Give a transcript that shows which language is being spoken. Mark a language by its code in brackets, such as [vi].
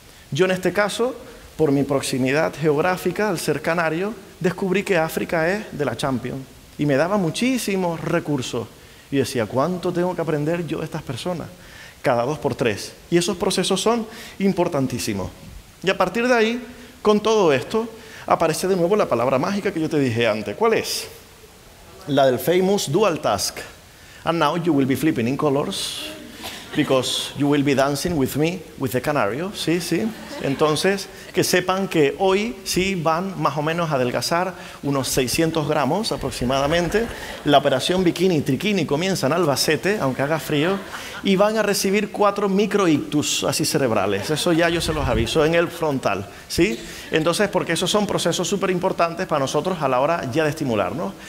[es] Yo en este caso, por mi proximidad geográfica al ser canario, descubrí que África es de la Champions y me daba muchísimos recursos. Y decía, ¿cuánto tengo que aprender yo de estas personas? Cada dos por tres. Y esos procesos son importantísimos. Y a partir de ahí, con todo esto, aparece de nuevo la palabra mágica que yo te dije antes. ¿Cuál es? La del [en] famous dual task. And now you will be flipping in colors because you will be dancing with me, with the canario. [es] Sí, sí. Entonces, que sepan que hoy sí van más o menos a adelgazar unos 600 gramos aproximadamente. La operación bikini triquini comienza en Albacete, aunque haga frío, y van a recibir 4 microictus así cerebrales. Eso ya yo se los aviso en el frontal, ¿sí? Entonces, porque esos son procesos súper importantes para nosotros a la hora ya de estimularnos.